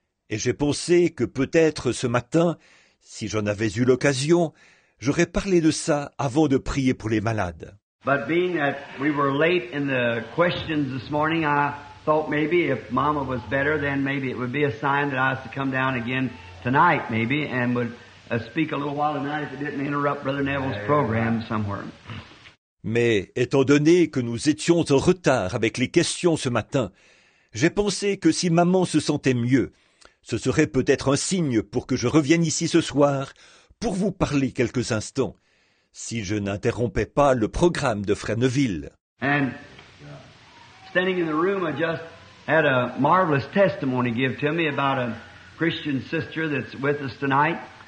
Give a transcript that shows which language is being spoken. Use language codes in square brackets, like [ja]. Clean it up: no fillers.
[fr] Et j'ai pensé que peut-être ce matin, si j'en avais eu l'occasion, j'aurais parlé de ça avant de prier pour les malades. [en] But being that we were late in the questions this morning, I thought maybe if Mama was better, then maybe it would be a sign that I was to come down again tonight, maybe, and would speak a little while tonight if it didn't interrupt Brother Neville's program somewhere. [fr] Mais étant donné que nous étions en retard avec les questions ce matin, j'ai pensé que si Maman se sentait mieux, ce serait peut-être un signe pour que je revienne ici ce soir pour vous parler quelques instants, si je n'interrompais pas le programme de Frère Neville. [en] And standing in the room, I just had a marvelous testimony give to me about a Christian sister that's with us tonight.